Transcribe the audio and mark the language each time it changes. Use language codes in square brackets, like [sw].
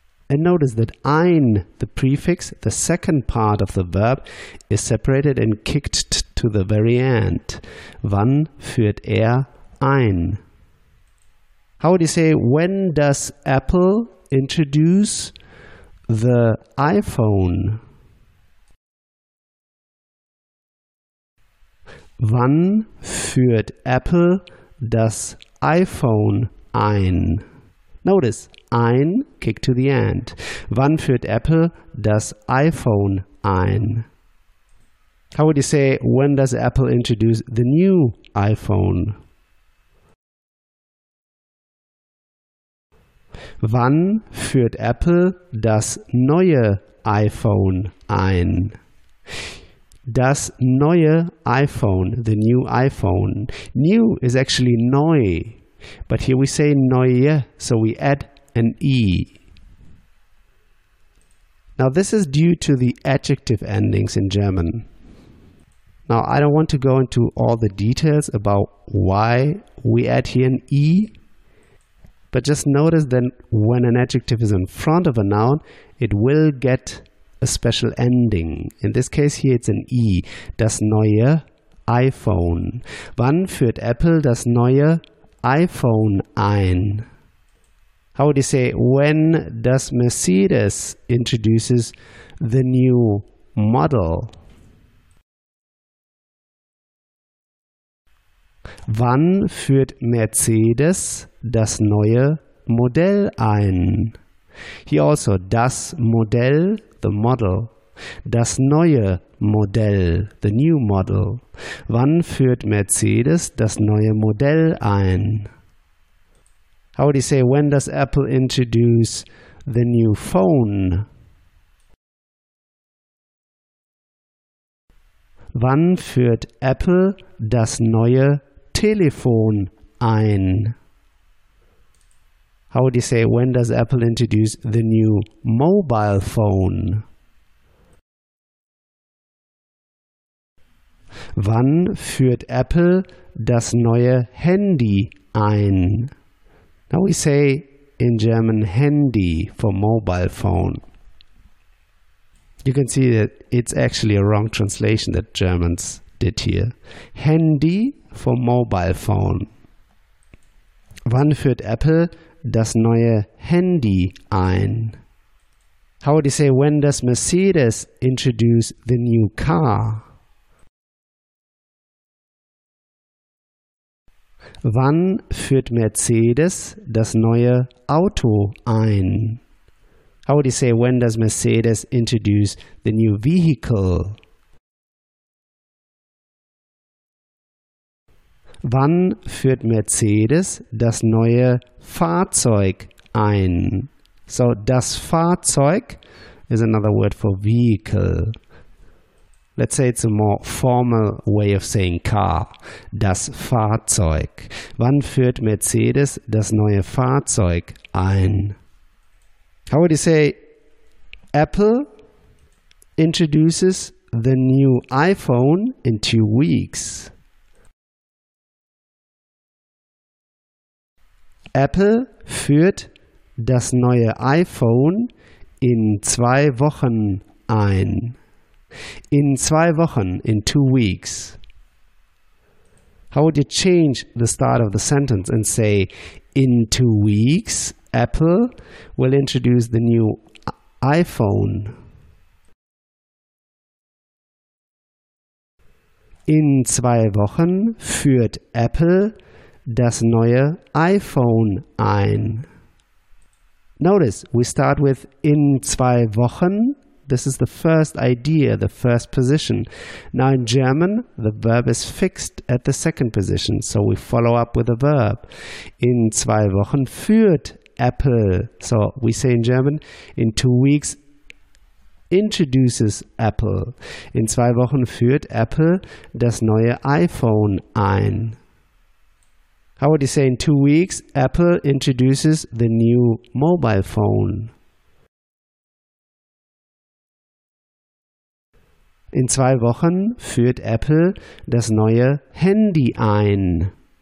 [en] And notice that ein, the prefix, the second part of the verb, is separated and kicked to the very end. [de] Wann führt er ein? [en] How would you say, when does Apple introduce the iPhone? [de] Wann führt Apple das iPhone ein? [en] Notice, ein, kick to the end. [de] Wann führt Apple das iPhone ein? [en] How would you say, when does Apple introduce the new iPhone? [de] Wann führt Apple das neue iPhone ein? Das neue iPhone, [en] the new iPhone. New is actually neu, but here we say neue, so we add an E. Now this is due to the adjective endings in German. Now I don't want to go into all the details about why we add here an E, but just notice that when an adjective is in front of a noun, it will get a special ending. In this case here it's an E. [de] Das neue iPhone. Wann führt Apple das neue iPhone ein? [en] How would you say, when does Mercedes introduces the new model? [de] Wann führt Mercedes das neue Modell ein? [en] Here also, das Modell, the model. [de] Das neue Modell, [en] the new model. [de] Wann führt Mercedes das neue Modell ein? [en] How would you say, when does Apple introduce the new phone? [de] Wann führt Apple das neue Telefon ein? [en] How would you say, when does Apple introduce the new mobile phone? [de] Wann führt Apple das neue Handy ein? [en] Now we say in German Handy for mobile phone. You can see that it's actually a wrong translation that Germans did here. Handy for mobile phone. [de] Wann führt Apple das neue Handy ein? [en] How would you say, when does Mercedes introduce the new car? [de] Wann führt Mercedes das neue Auto ein? [en] How would you say, when does Mercedes introduce the new vehicle? [de] Wann führt Mercedes das neue Fahrzeug ein? [en] So, das Fahrzeug is another word for vehicle. Let's say it's a more formal way of saying car. [de] Das Fahrzeug. Wann führt Mercedes das neue Fahrzeug ein? [en] How would you say, Apple introduces the new iPhone in 2 weeks? [de] Apple führt das neue iPhone in 2 Wochen ein. In 2 Wochen, [en] in 2 weeks. How would you change the start of the sentence and say, in 2 weeks, Apple will introduce the new iPhone? [de] In 2 Wochen führt Apple das neue iPhone ein. [en] Notice, we start with [de] in 2 Wochen. [en] This is the first idea, the first position. Now in German, the verb is fixed at the second position, so we follow up with a verb. [de] In 2 Wochen führt Apple. [en] So we say in German, in 2 weeks introduces Apple. [de] In 2 Wochen führt Apple das neue iPhone ein. [en] How would you say in 2 weeks Apple introduces the new mobile phone? [de] In 2 Wochen führt Apple das neue Handy ein.